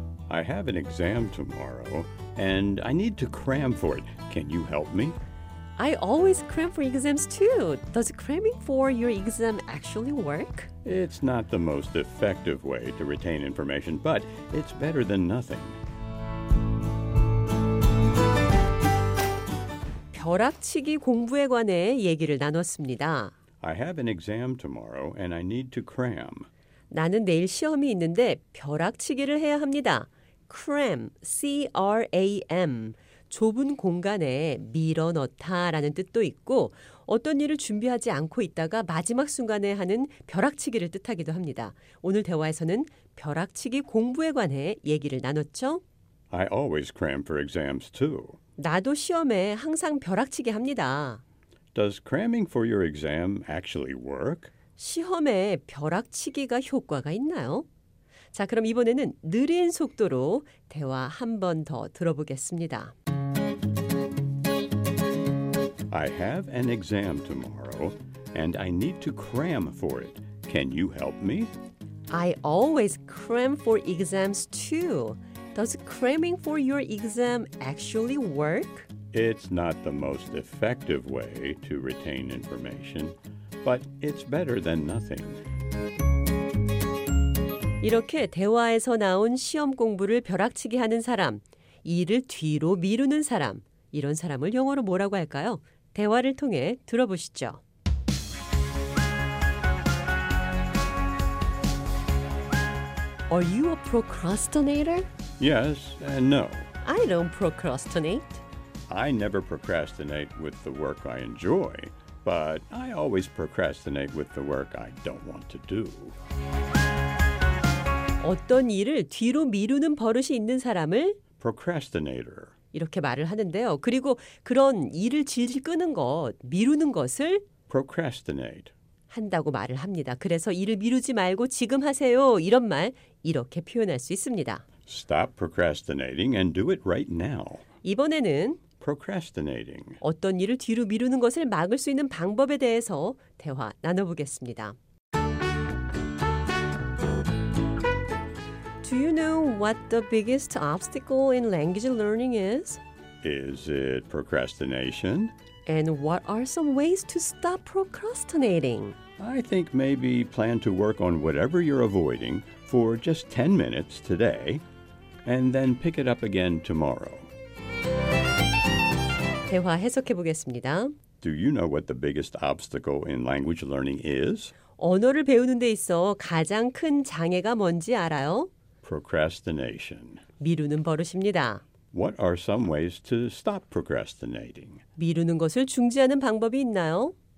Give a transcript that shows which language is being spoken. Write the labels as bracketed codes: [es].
[en] I have an exam tomorrow, and I need to cram for it. Can you help me? I always cram for exams too. Does cramming for your exam actually work? It's not the most effective way to retain information, but it's better than nothing. [ko] 벼락치기 공부에 관해 얘기를 나눴습니다. [en] I have an exam tomorrow and I need to cram. [ko] 나는 내일 시험이 있는데 벼락치기를 해야 합니다. cram, C-R-A-M, 좁은 공간에 밀어넣다라는 뜻도 있고 어떤 일을 준비하지 않고 있다가 마지막 순간에 하는 벼락치기를 뜻하기도 합니다. 오늘 대화에서는 벼락치기 공부에 관해 얘기를 나눴죠. [en] I always cram for exams too. [ko] 나도 시험에 항상 벼락치기 합니다. [en] Does cramming for your exam actually work? [ko] 시험에 벼락치기가 효과가 있나요? 자, 그럼 이번에는 느린 속도로 대화 한 번 더 들어보겠습니다. [en] I have an exam tomorrow and I need to cram for it. Can you help me? I always cram for exams too. Does cramming for your exam actually work? It's not the most effective way to retain information, but it's better than nothing. [ko] 이렇게 대화에서 나온 시험 공부를 벼락치기 하는 사람, 일을 뒤로 미루는 사람, 이런 사람을 영어로 뭐라고 할까요? 대화를 통해 들어보시죠. [en] Are you a procrastinator? Yes and no. I don't procrastinate. I never procrastinate with the work I enjoy, but I always procrastinate with the work I don't want to do. [ko] 어떤 일을 뒤로 미루는 버릇이 있는 사람을 [en] procrastinator [ko] 이렇게 말을 하는데요. 그리고 그런 일을 질질 끄는 것, 미루는 것을 [en] procrastinate [ko] 한다고 말을 합니다. 그래서 일을 미루지 말고 지금 하세요. 이런 말 이렇게 표현할 수 있습니다. [en] Stop procrastinating and do it right now. [ko] 이번에는 [en] procrastinating [ko] 어떤 일을 뒤로 미루는 것을 막을 수 있는 방법에 대해서 대화 나눠보겠습니다. [en] Do you know what the biggest obstacle in language learning is? Is it procrastination? And what are some ways to stop procrastinating? I think maybe plan to work on whatever you're avoiding for just 10 minutes today and then pick it up again tomorrow. [ko] 대화 해석해 보겠습니다. [en] Do you know what the biggest obstacle in language learning is? [ko] 언어를 배우는 데 있어 가장 큰 장애가 뭔지 알아요? [en] Procrastination. [ko] 미루는 버릇입니다. [en] What are some ways to stop procrastinating? [ko] 미루는 것을 중지하는 방법이 있나요?